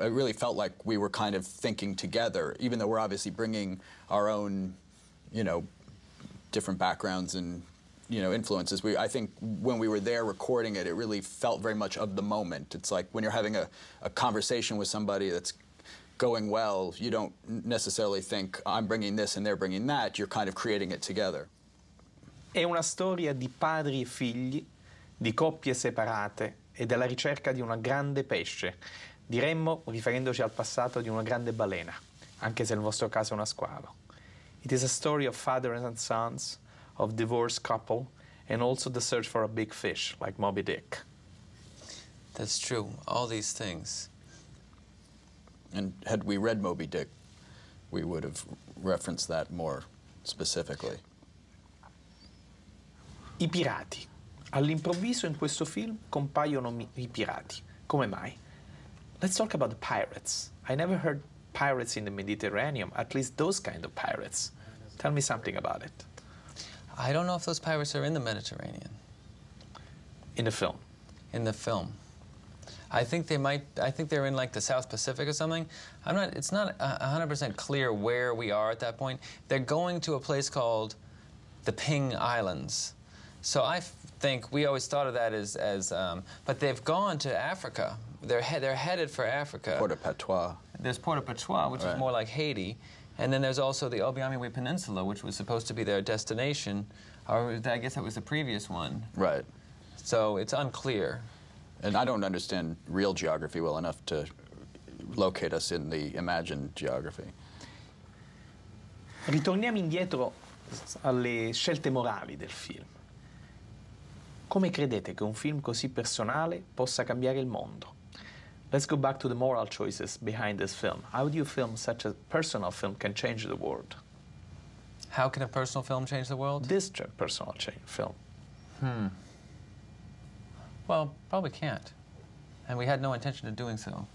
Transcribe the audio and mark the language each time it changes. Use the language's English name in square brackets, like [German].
[English] It really felt like we were kind of thinking together, even though we're obviously bringing our own, you know, different backgrounds and, you know, influences. I think when we were there recording it, it really felt very much of the moment. It's like when you're having a conversation with somebody that's going well, you don't necessarily think I'm bringing this and they're bringing that. You're kind of creating it together. [Italian] È una storia di padri e figli, di coppie separate e della ricerca di una grande pesce. Diremmo, riferendoci al passato, di una grande balena, anche se nel vostro caso è una squalo. [English] It is a story of fathers and sons, of divorced couple, and also the search for a big fish, like Moby Dick. That's true, all these things. And had we read Moby Dick, we would have referenced that more specifically. [Italian] I pirati. All'improvviso in questo film compaiono i pirati. Come mai? [English] Let's talk about the pirates. I never heard pirates in the Mediterranean, at least those kind of pirates. Tell me something about it. I don't know if those pirates are in the Mediterranean. In the film. In the film. I think they might. I think they're in like the South Pacific or something. It's not 100% clear where we are at that point. They're going to a place called the Ping Islands. So I think we always thought of that as. But they've gone to Africa. They're headed for Africa. Port au Patois. There's Port au Patois, which is more like Haiti. And then there's also the Obiamiwe Peninsula, which was supposed to be their destination. Or I guess that was the previous one. Right. So it's unclear. And I don't understand real geography well enough to locate us in the imagined geography. [Italian] Ritorniamo indietro alle scelte morali del film. Come credete che un film così personale possa cambiare il mondo? [English] Let's go back to the moral choices behind this film. How do you feel such a personal film can change the world? How can a personal film change the world? This personal film. Well, probably can't. And we had no intention of doing so.